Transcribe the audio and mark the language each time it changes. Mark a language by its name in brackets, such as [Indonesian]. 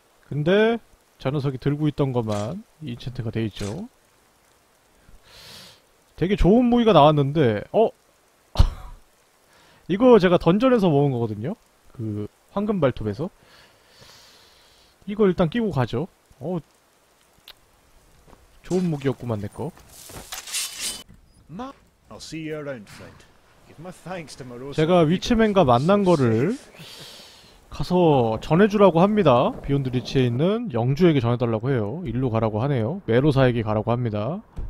[Korean] 근데 저 녀석이 들고 있던 것만 인챈트가 돼있죠. 되게 좋은 무기가 나왔는데 이거 제가 던전에서 모은 거거든요. 그 황금 발톱에서 이거 일단 끼고 가죠. 좋은 무기였구만 내꺼. [English] I'll see you around, friend. Give my thanks to Moroso. [Korean] 제가 위치맨과 만난 거를 가서 전해주라고 합니다. 비욘드 리치에 있는 영주에게 전해달라고 해요. 일로 가라고 하네요. 메로사에게 가라고 합니다.